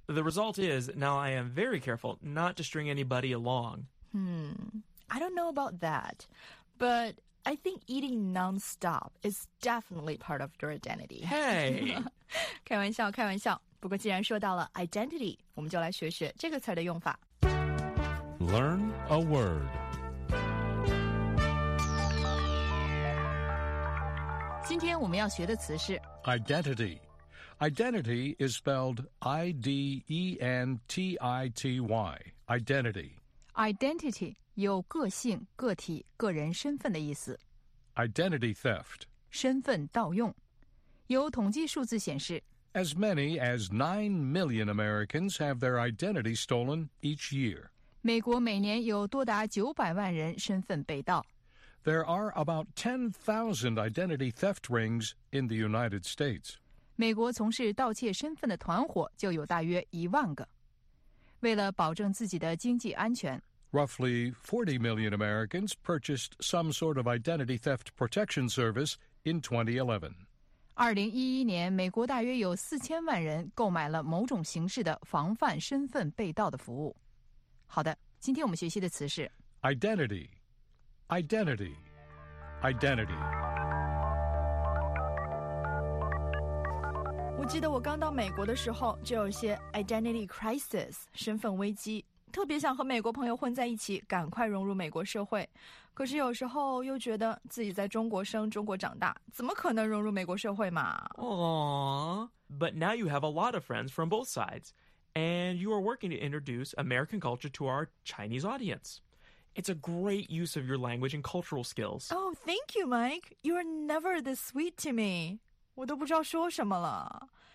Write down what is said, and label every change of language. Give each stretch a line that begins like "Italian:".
English: The result is, now I am very careful not to string anybody along. I don't know about that, but... I think eating non-stop is definitely part of your identity. Hey!
Chinese: 开玩笑，开玩笑。不过既然说到了 identity, 我们就来学学这个词的用法。
English: Learn a word.
Chinese: 今天我们要学的词是
English: identity. Identity is spelled I-D-E-N-T-I-T-Y. Identity. Identity.
Chinese: 有个性、个体、个人身份的意思。
English: Identity theft.
Chinese: 身份盗用。有统计数字显示
English: ，As many as 9 million Americans have their identity stolen each year.
Chinese: 美国每年有多达900万人身份被盗。
English: There are about 10,000 identity theft rings in the United States.
Chinese: 美国从事盗窃身份的团伙就有大约10,000个。为了保证自己的经济安全。
English: Roughly 40 million Americans purchased some sort of identity theft protection service in 2011.
Chinese: 2011 年，美国大约有4000万人购买了某种形式的防范身份被盗的服务。好的，今天我们学习的词是
English: identity, identity, identity。
Chinese: 我记得我刚到美国的时候，就有些 identity crisis, 身份危机，特别想和美国朋友混在一起，赶快融入美国社会。可是有时候又觉得自己在中国生、中国长大，怎么可能融入美国社会嘛？
English: Aww, but now you have a lot of friends from both sides, and you are working to introduce American culture to our Chinese audience. It's a great use of your language and cultural skills. Oh, thank you, Mike. You are never this sweet to me.
Chinese: 我都不知道说什么了。